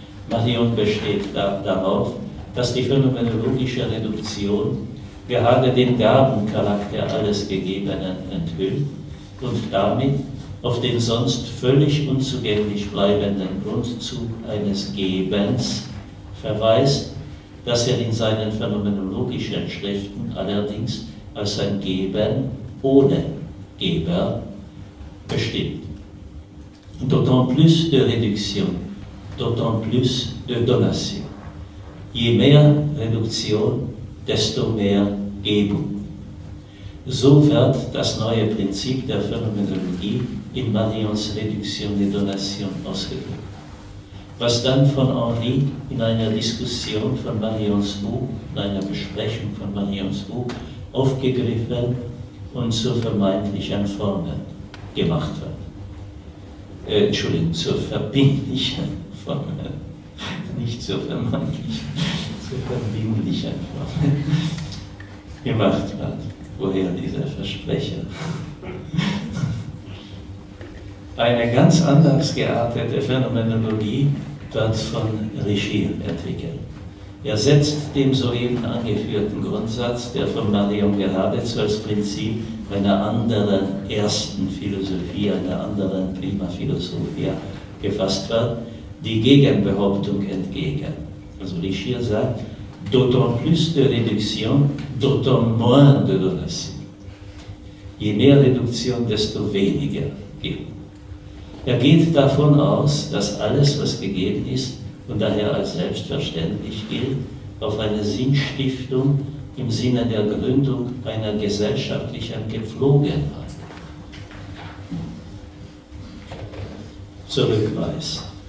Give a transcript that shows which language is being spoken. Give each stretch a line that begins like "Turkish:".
German: Marion besteht darauf, dass die phänomenologische Reduktion gerade den Gabencharakter alles Gegebenen enthüllt und damit auf den sonst völlig unzugänglich bleibenden Grundzug eines Gebens verweist, dass er in seinen phänomenologischen Schriften allerdings als ein Geben ohne Geber bestimmt.
French: D'autant plus de réduction, d'autant plus de donation.
German: Je mehr Reduktion, desto mehr Gebung. So wird das neue Prinzip der Phänomenologie in Marions Reduction et Donation ausgedrückt. Was dann von Henri in einer Diskussion von Marions Buch, in einer Besprechung von Marions Buch, aufgegriffen und zur vermeintlichen Formel gemacht wird. Zur verbindlichen Formel. Nicht zur vermeintlichen, zur verbindlichen Formel. Gemacht hat. Woher dieser Versprecher? Eine ganz anders geartete Phänomenologie wird von Richieu entwickelt. Er setzt dem soeben angeführten Grundsatz, der von Marion geradezu als Prinzip einer anderen ersten Philosophie, einer anderen Prima Philosophia gefasst wird, die Gegenbehauptung entgegen. Also Richieu sagt,
French: d'autant plus de réduction, d'autant moins de donation.
German: Je mehr Reduktion, desto weniger Gebung. Er geht davon aus, dass alles, was gegeben ist und daher als selbstverständlich gilt, auf eine Sinnstiftung im Sinne der Gründung einer gesellschaftlichen Gepflogenheit zurückweist.